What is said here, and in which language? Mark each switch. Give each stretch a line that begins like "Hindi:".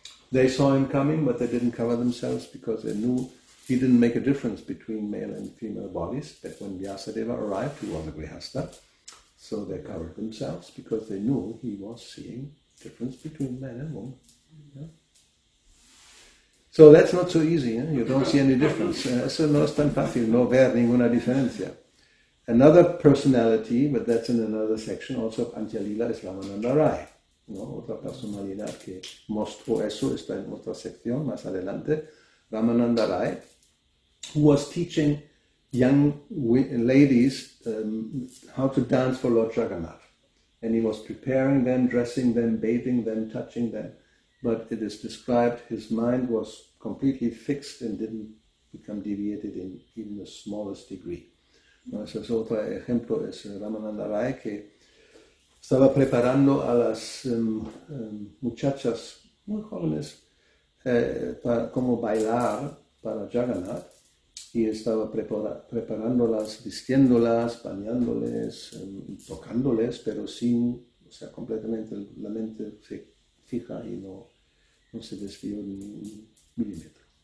English: They saw him coming, but they didn't cover themselves because they knew he didn't make a difference between male and female bodies. But when Vyasadeva arrived, he was a grihastha. So they covered themselves because they knew he was seeing difference between man and woman. So that's not so easy. You don't see any difference.
Spanish: Eso no es tan fácil, no ver ninguna diferencia.
English: Another personality, but that's in another section, also of Antya Lila, es Ramananda Rai.
Spanish: ¿No? Otra personalidad que mostró eso está en otra sección más adelante.
English: Ramananda Rai, who was teaching young ladies how to dance for Lord Jagannath. And he was preparing them, dressing them, bathing them, touching them. But it is described his mind was completely fixed and didn't become deviated in even the smallest degree.
Spanish: Ese es otro ejemplo, es Ramananda Rai, que estaba preparando a las muchachas muy jóvenes para cómo bailar para Jagannath. Y estaba preparándolas, vistiéndolas, bañándoles, tocándoles, pero sin, o sea, completamente la mente se fija y no se desvió ni un milímetro.